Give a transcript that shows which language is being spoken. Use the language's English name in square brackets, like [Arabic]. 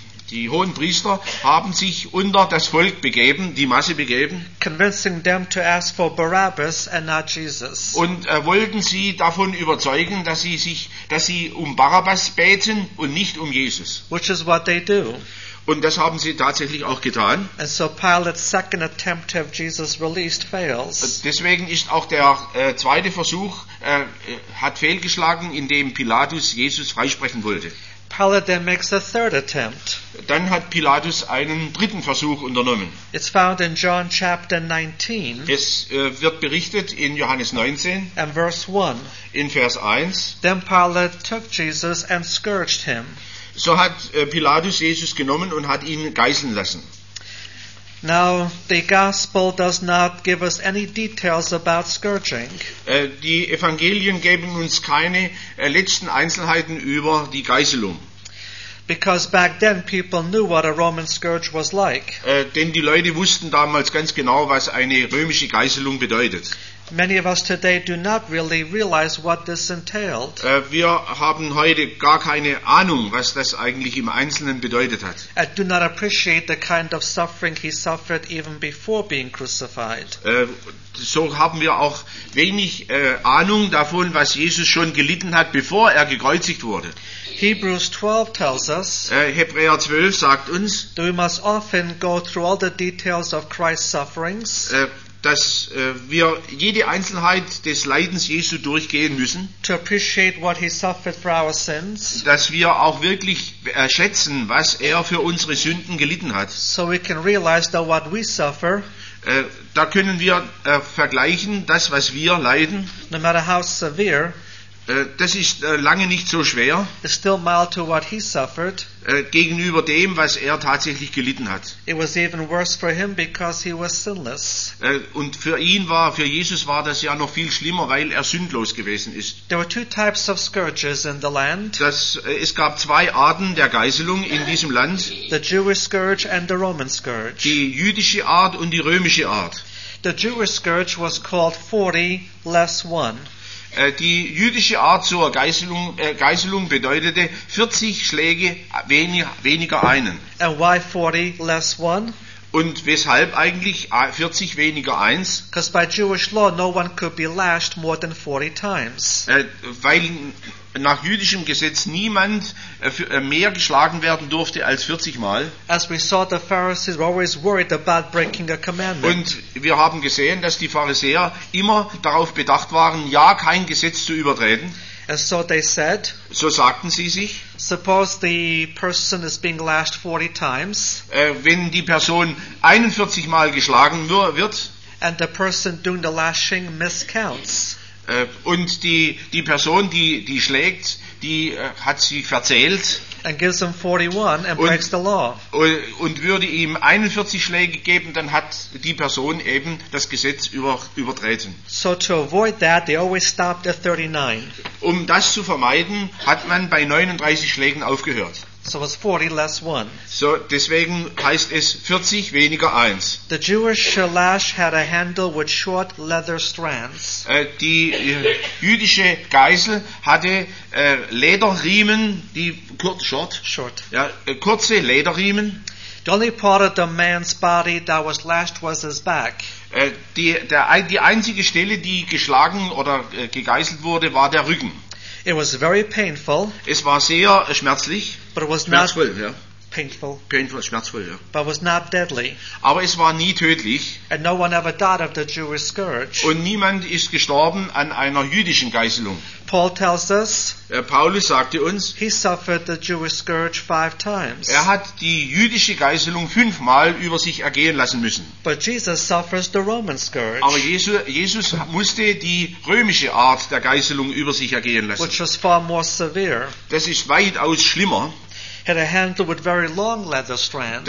[German] Die hohen Priester haben sich unter das Volk begeben, die Masse begeben. [English] Convincing them to ask for Barabbas and not Jesus. [German] Und wollten sie davon überzeugen, dass sie um Barabbas beten und nicht um Jesus. [English] Which is what they do. [German] Und das haben sie tatsächlich auch getan. [English] And so Pilate's second attempt to have Jesus released fails. [German] Deswegen ist auch der zweite Versuch hat fehlgeschlagen, indem Pilatus Jesus freisprechen wollte. [English] Pilate then makes a third attempt. [German] Dann hat Pilatus einen dritten Versuch unternommen. [English] It's found in John chapter 19. [German] Es wird berichtet in Johannes 19. [English] And verse 1. [German] In Vers 1. [English] Then Pilate took Jesus and scourged him. [German] So hat Pilatus Jesus genommen und hat ihn geißeln lassen. [English] Now, the gospel does not give us any details about scourging. [German] Die Evangelien geben uns keine letzten Einzelheiten über die Geißelung. [English] Because back then people knew what a Roman scourge was like. [German] Denn die Leute wussten damals ganz genau, was eine römische Geißelung bedeutet. [English] Many of us today do not really realize what this entailed. [German] Wir haben heute gar keine Ahnung, was das eigentlich im Einzelnen bedeutet hat. [English] I do not appreciate the kind of suffering he suffered even before being crucified. [German] So haben wir auch wenig Ahnung davon, was Jesus schon gelitten hat, bevor er gekreuzigt wurde. [English] Hebrews 12 tells us. [German] Hebräer 12 sagt uns. [English] That we must often go through all the details of Christ's sufferings. [German] Dass wir jede Einzelheit des Leidens Jesu durchgehen müssen, [English] to appreciate what he suffered for our sins, [German] dass wir auch wirklich schätzen, was er für unsere Sünden gelitten hat, [English] so we can realize that what we suffer, [German] da können wir vergleichen, das, was wir leiden, [English] no matter how severe, [German] Das ist lange nicht so schwer. [English] It's still mild to what he suffered. [German] Gegenüber dem, was er tatsächlich gelitten hat. [English] It was even worse for him because he was sinless. [German] Und für ihn war, für Jesus war das ja noch viel schlimmer, weil er sündlos gewesen ist. [English] There were two types of scourges in the land. [German] Es gab zwei Arten der Geißelung in diesem Land. [English] The Jewish scourge and the Roman scourge. [German] Die jüdische Art und die römische Art. [English] The Jewish scourge was called 40 less 1. [German] Die jüdische Art zur Geißelung bedeutete 40 Schläge weniger einen. [English] And why 40 less 1? [German] Und weshalb eigentlich 40 weniger 1? [English] Because by Jewish law no one could be lashed more than 40 times. [German] Weil nach jüdischem Gesetz niemand mehr geschlagen werden durfte als 40 Mal. [English] As we saw, the Pharisees were always worried about breaking a commandment. [German] Und wir haben gesehen, dass die Pharisäer immer darauf bedacht waren, ja, kein Gesetz zu übertreten. [English] And so they said, [German] so sagten sie sich, [English] suppose the person is being lashed 40 times, [German] wenn die Person 41 Mal geschlagen wird, [English] and the person doing the lashing miscounts, [German] und die Person, die schlägt, die hat sich verzählt, [English] and gives him 41 and breaks the law. [German] Und würde ihm 41 Schläge geben, dann hat die Person eben das Gesetz übertreten. [English] So to avoid that, they always stopped at 39. [German] Um das zu vermeiden, hat man bei 39 Schlägen aufgehört. [English] So it was 40 less 1. [German] So deswegen heißt es 40 weniger 1. [English] The Jewish lash had a handle with short leather strands. [German] Die jüdische Geißel hatte Lederriemen, die kurz [English] short. [German] Ja, kurze Lederriemen. [English] The only part of the man's body that was lashed was his back. [German] Die einzige Stelle, die geschlagen oder gegeißelt wurde, war der Rücken. [English] It was very painful. [German] Es war sehr schmerzlich. [English] But it was [German] schmerzvoll, [English] not [German] ja. [English] Painful. [German] Painful, schmerzvoll, ja. [English] But it was not deadly. [German] Aber es war nie tödlich. [English] And no one ever died of the Jewish scourge. [German] Und niemand ist gestorben an einer jüdischen Geißelung. [English] Paul tells us. [German] Paulus sagte uns. [English] He suffered the Jewish scourge 5 times. [German] Er hat die jüdische Geißelung 5-mal über sich ergehen lassen müssen. [English] But Jesus suffers the Roman scourge. [German] Aber Jesus musste die römische Art der Geißelung über sich ergehen lassen. [English] Which was far more severe. [German] Das ist weitaus schlimmer. [English] Had a handle with very long leather strands.